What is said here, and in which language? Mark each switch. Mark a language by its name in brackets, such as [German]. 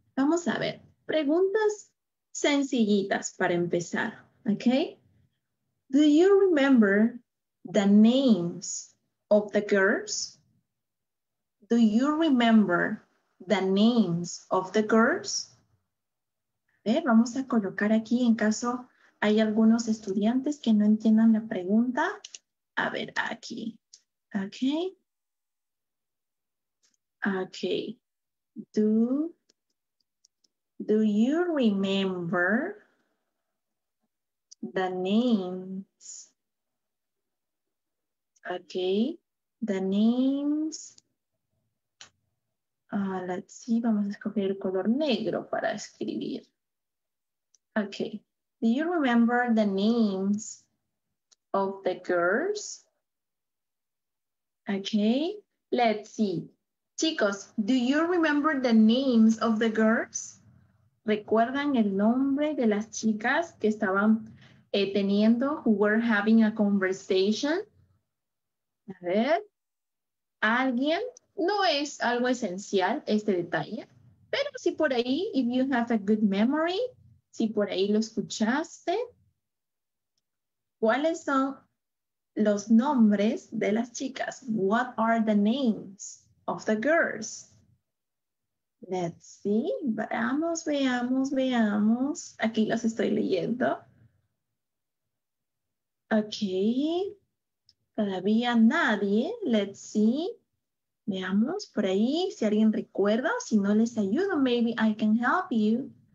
[Spanish] Vamos a ver, preguntas sencillitas para empezar, ¿ok? [English] Do you remember the names of the girls? Do you remember the names of the girls? [Spanish] Vamos a colocar aquí en caso hay algunos estudiantes que no entiendan la pregunta. A ver, aquí. Okay. [English] Okay. Do you remember the names? Okay. The names. Let's see. [Spanish] Vamos a escoger el color negro para escribir. Okay. [English] Do you remember the names of the girls? Okay, let's see. Chicos, do you remember the names of the girls? [Spanish] ¿Recuerdan el nombre de las chicas que estaban teniendo, [English] who were having a conversation? [Spanish] A ver, ¿alguien No es algo esencial este detalle, pero si por ahí, [English] if you have a good memory, [Spanish] si por ahí lo escuchaste, ¿cuáles son los nombres de las chicas? [English] What are the names of the girls? Let's see, [Spanish] veamos, veamos, veamos. Aquí los estoy leyendo. Ok, todavía nadie. [English] Let's see, [Spanish] veamos por ahí si alguien recuerda. Si no les ayudo, [English] maybe I can help you.